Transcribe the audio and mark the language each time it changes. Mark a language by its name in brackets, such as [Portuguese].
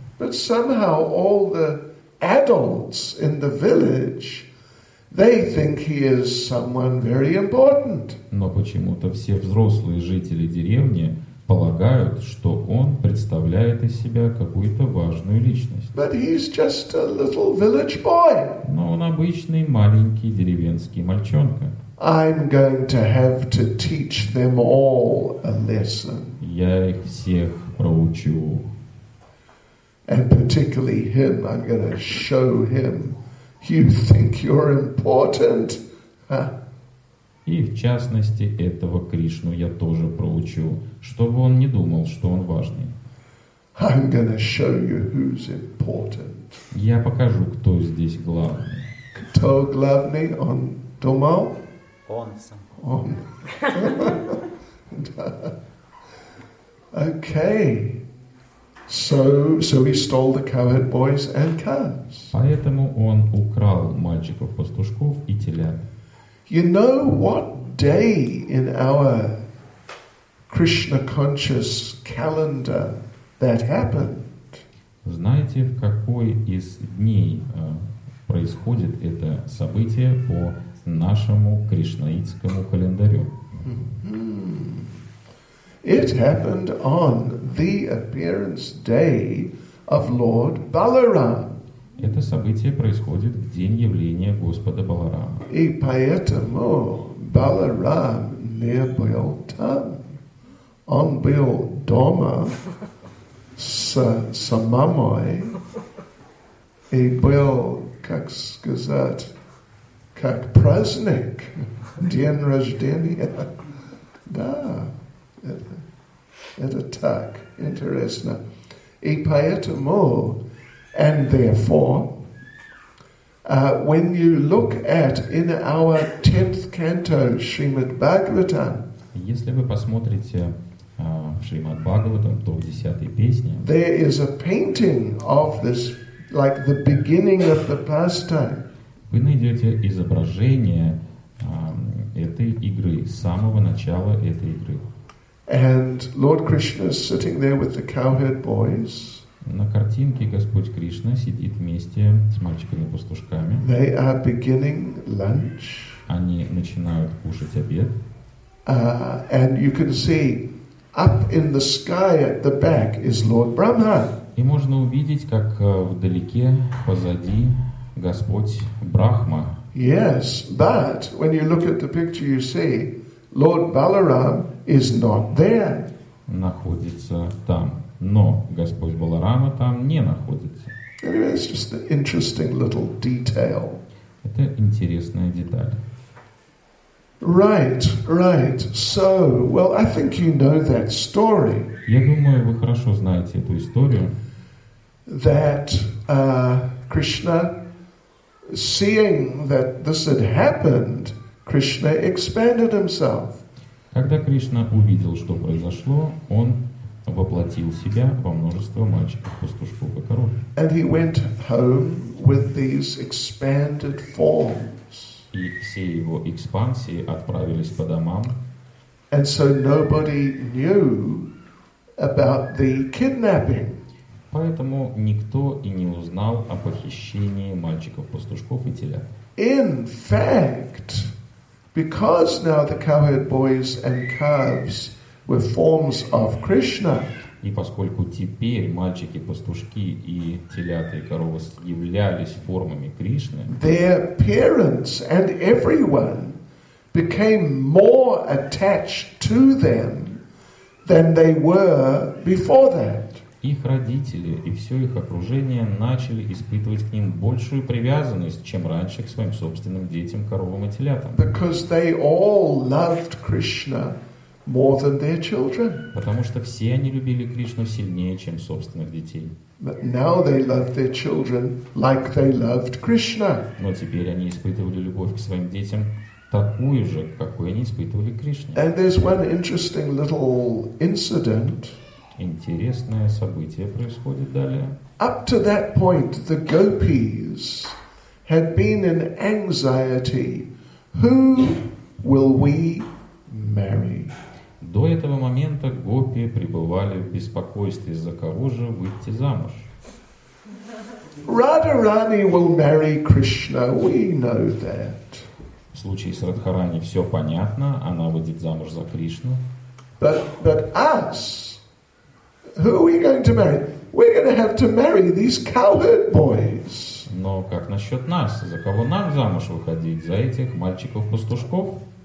[English] But somehow all the adults in the village, they think he is someone very important. [Russian] Но почему-то все взрослые жители деревни полагают, что он представляет из себя какую-то важную личность. [English] But he's just a little village boy. [Russian] Но он обычный маленький деревенский мальчонка. [English] I'm going to have to teach them all a lesson. [Russian] Я их всех проучу. [English] And particularly him, I'm going to show him. You think you're important? Huh? [Russian] И в частности этого Кришну я тоже проучу, чтобы он не думал, что он важный. [English] I'm going to show you who's important. [Russian] Я покажу, кто здесь главный. Кто главный? Он думал? Он сам. Он. [English] Okay. So he stole the cowherd boys and calves. [Russian] Поэтому он украл мальчиков-пастушков и телят. [English] You know what day in our Krishna conscious calendar that happened? [Russian] Знаете, в какой из дней происходит это событие по нашему кришнаитскому календарю? [English] It happened on the appearance day of Lord Balaram. [Russian] Это событие происходит в день явления Господа Баларама. И поэтому Баларам не был там. Он был дома с мамой и был, как сказать, как праздник, день рождения. Да. Это так. Интересно. И поэтому, [English] and therefore, when you look at in our 10th canto, Srimad Bhagavatam, [Russian] если вы посмотрите в Шримад Бхагаватам, то в 10-й песне, [English] there is a painting of this, like the beginning of the pastime. [Russian] Вы найдете изображение этой игры, самого начала этой игры. [English] And Lord Krishna is sitting there with the cowherd boys. [Russian] На картинке Господь Кришна сидит вместе с мальчиками-пастушками. [English] They are beginning lunch. [Russian] Они начинают кушать обед. [English] And you can see up in the sky at the back is Lord Brahma. [Russian] И можно увидеть, как вдалеке, позади, Господь Брахма. [English] Yes, but when you look at the picture, you see Lord Balaram is not there. [Russian] Находится там, но Господь Баларама там не находится. [English] Anyway, it's just an interesting little detail. [Russian] Это интересная деталь. [English] Right, right. So, well, I think you know that story. [Russian] Я думаю, вы хорошо знаете эту историю. [English] That Krishna, seeing that this had happened, Krishna expanded himself. [Russian] Когда Кришна увидел, что произошло, он воплотил себя во множество мальчиков-пастушков и коров. [English] And he went home with these expanded forms. [Russian] И все его экспансии отправились по домам. [English] And so nobody knew about the kidnapping. [Russian] Поэтому никто и не узнал о похищении мальчиков-пастушков и телят. [English] In fact, Because now the cowherd boys and calves were forms of Krishna. [Russian] И поскольку теперь мальчики, пастушки и телята и коровы являлись формами Кришны, [English] their parents and everyone became more attached to them than they were before that. [Russian] Их родители и все их окружение начали испытывать к ним большую привязанность, чем раньше к своим собственным детям, коровам и телятам. [English] Because they all loved Krishna more than their children. [Russian] Потому что все они любили Кришну сильнее, чем собственных детей. [English] But now they loved their children like they loved Krishna. [Russian] Но теперь они испытывали любовь к своим детям такую же, какую они испытывали к Кришне. [English] And there's one interesting little incident. [Russian] Интересное событие происходит далее. [English] Up to that point, the gopis had been in anxiety. Who will we marry? [Russian] До этого момента гопи пребывали в беспокойстве, за кого же выйти замуж. [English] Радхарани will marry Krishna, we know that. [Russian] В случае с Радхарани все понятно, она выйдет замуж за Кришну. [English] But us, who are we going to marry? We're going to have to marry these cowherd boys. [Russian] Но как насчет нас? За кого нам замуж выходить? За этих мальчиков-пастушков?